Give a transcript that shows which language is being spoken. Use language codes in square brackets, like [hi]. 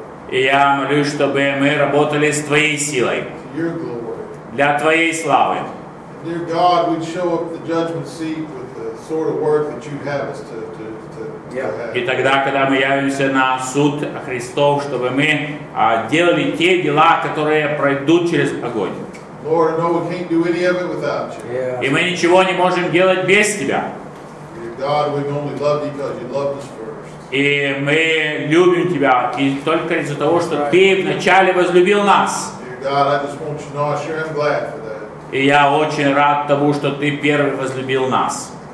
[ru] И я молюсь, чтобы мы работали с Твоей силой. Для Твоей славы. [en] Dear God, we'd show up at the judgment seat with the sort of work that you have us to have. [ru] И тогда, когда мы явимся на суд Христов, чтобы мы делали те дела, которые пройдут через огонь. [en] Lord, no, we can't do any of it without you. Yeah. [ru] И мы ничего не можем делать без Тебя. [en] Dear God, we only love you because you loved us first. [ru] И мы любим Тебя и только из-за того, что Ты вначале возлюбил нас. [en] Dear God, I just want you to know I sure am glad for that. [ru] И я очень рад тому, что Ты первый возлюбил нас.